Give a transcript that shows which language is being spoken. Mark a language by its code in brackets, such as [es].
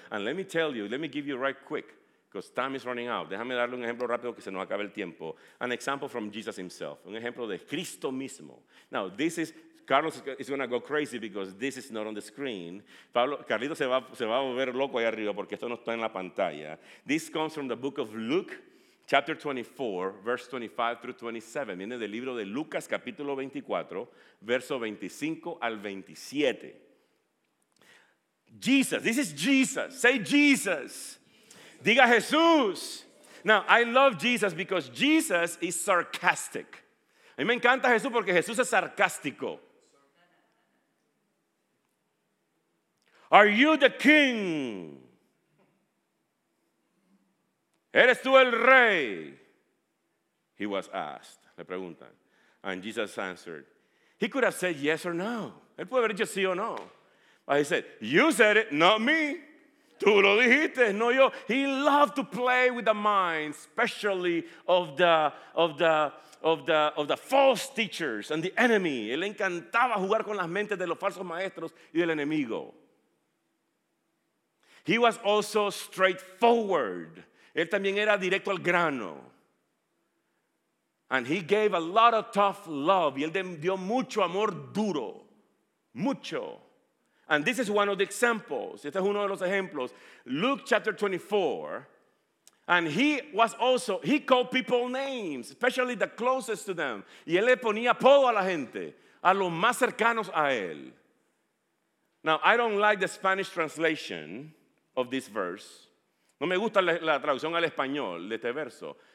[en] And let me tell you, let me give you right quick. Because time is running out. [es] Déjame darle un ejemplo rápido que se nos acabe el tiempo. [en] An example from Jesus himself. [es] Un ejemplo de Cristo mismo. [en] Now, this is, Carlos is going to go crazy because this is not on the screen. [es] Carlito se va a volver loco ahí arriba porque esto no está en la pantalla. [en] This comes from the book of Luke, chapter 24, verse 25 through 27. [es] Viene del libro de Lucas, capítulo 24, verso 25 al 27. [en] Jesus, this is Jesus. Say Jesus. [es] Diga Jesús. [en] Now, I love Jesus because Jesus is sarcastic. [es] A mí me encanta Jesús porque Jesús es sarcástico. [en] Are you the king? [es] ¿Eres tú el rey? [en] He was asked. [es] Le preguntan. [en] And Jesus answered. He could have said yes or no. [es] Él puede haber dicho sí o no. [en] But he said, you said it, not me. [es] Tú lo dijiste, no yo. [en] He loved to play with the mind, especially of the false teachers and the enemy. [es] Él encantaba jugar con las mentes de los falsos maestros y del enemigo. [en] He was also straightforward. [es] Él también era directo al grano. [en] And he gave a lot of tough love. [es] Y él dio mucho amor duro. Mucho. [en] And this is one of the examples. [es] Este es uno de los ejemplos. [en] Luke chapter 24. And he called people names, especially the closest to them. [es] Y él le ponía apodo a la gente, a los más cercanos a él. [en] Now, I don't like the Spanish translation of this verse. [es] No me gusta la traducción al español de este verso.